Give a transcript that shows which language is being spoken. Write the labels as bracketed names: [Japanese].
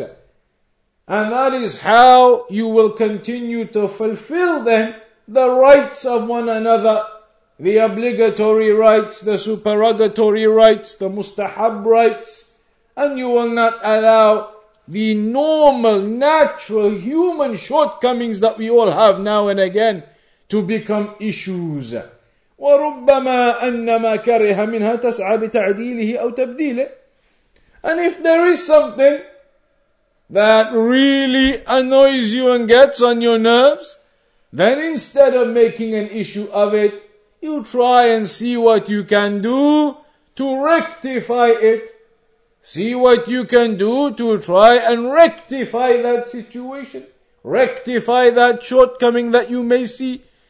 [English] And that is how you will continue to fulfill then the rights of one another, the obligatory rights, the supererogatory rights, the mustahab rights, and you will not allow the normal, natural human shortcomings that we all have now and again to become issues. [Arabic] وربما أنما كره منها تسعى بتعديله أو تبديله. [English] And if there is something that really annoys you and gets on your nerves, then instead of making an issue of it, you try and see what you can do to rectify it. See what you can do to try and rectify that situation, rectify that shortcoming that you may see.